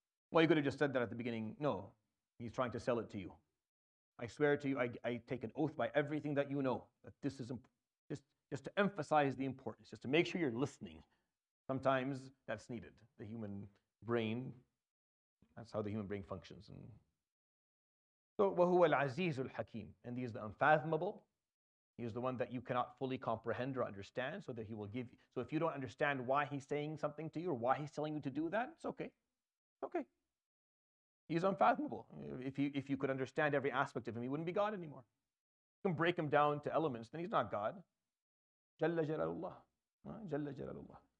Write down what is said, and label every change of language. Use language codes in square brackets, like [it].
[en] Well, you could have just said that at the beginning. No, he's trying to sell it to you. I swear to you, I take an oath by everything that you know, that this is just to emphasize the importance, just to make sure you're listening. Sometimes that's needed. The human brain, that's how the human brain functions. And so, [ar] وَهُوَ الْعَزِيزُ الْحَكِيمُ. [en] And he is the unfathomable. He is the one that you cannot fully comprehend or understand, so that he will give you. So if you don't understand why he's saying something to you or why he's telling you to do that, it's okay. Okay. He's unfathomable. If you could understand every aspect of him, he wouldn't be God anymore. You can break him down to elements, then he's not God. Jalla jalalullah. Jalla jalalullah.